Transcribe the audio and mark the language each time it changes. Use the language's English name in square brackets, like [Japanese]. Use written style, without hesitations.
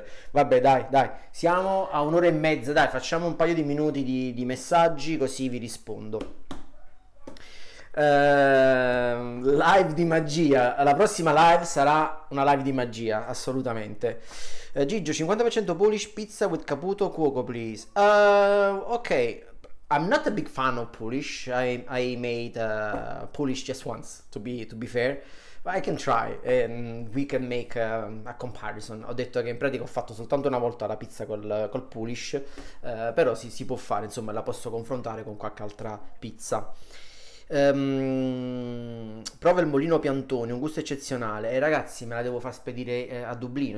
[Italian] Vabbè, dai, siamo a un'ora e mezza, dai, facciamo un paio di minuti di messaggi così vi rispondo. Live di magia, la prossima live sarà una live di magia, assolutamente. [English] Gigio, 50% Polish pizza with Caputo cuoco, please. Ok, I'm not a big fan of Polish, I made Polish just once, to be fair. I can try, we can make a comparison. [Italian] Ho detto che in pratica ho fatto soltanto una volta la pizza col Polish, però sì, si può fare, insomma, la posso confrontare con qualche altra pizza. Prova il Molino Piantoni, un gusto eccezionale. E ragazzi, me la devo far spedire a Dublino.